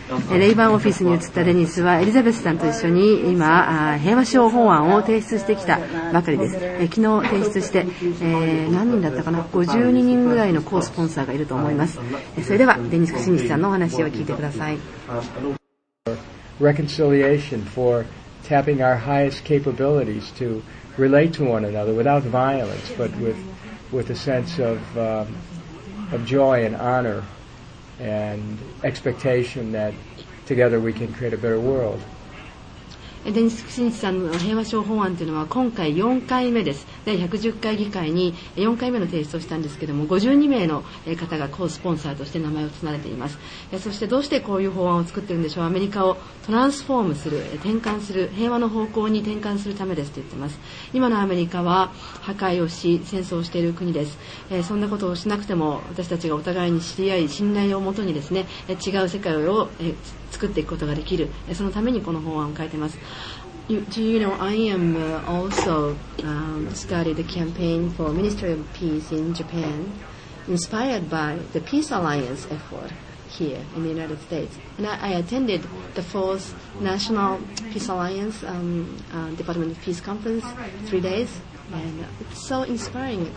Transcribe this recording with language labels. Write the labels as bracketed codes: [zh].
[ja] レイバンオフィスに移ったデニスはエリザベスさんと一緒に今平和賞法案を提出してきたばかりです。昨日提出して、何人だったかな、52人ぐらいのコースポンサーがいると思います。それではデニス・クシニッチさんのお話を聞いてください。 [en] Reconciliation for tapping our highest capabilities to relate to one another without violence, but with a sense of joy and honor and expectation that together we can create a better world. [ja] デニス・クシニッチさんの平和賞法案というのは今回4回目です。第110回議会に4回目の提出をしたんですけれども、52名の方がコースポンサーとして名前を連ねています。そしてどうしてこういう法案を作っているんでしょう。アメリカをトランスフォームする、転換する、平和の方向に転換するためですと言っています。今のアメリカは破壊をし戦争をしている国です。そんなことをしなくても私たちがお互いに知り合い、信頼をもとにですね、違う世界を作っていくことができる、そのためにこの法案を書いています。 [en] Do you know, I am also started the campaign for Ministry of Peace in Japan, inspired by the Peace Alliance effort here in the United States. And I attended the 4th National Peace Alliance Department of Peace Conference 3 days, and it's so inspiring.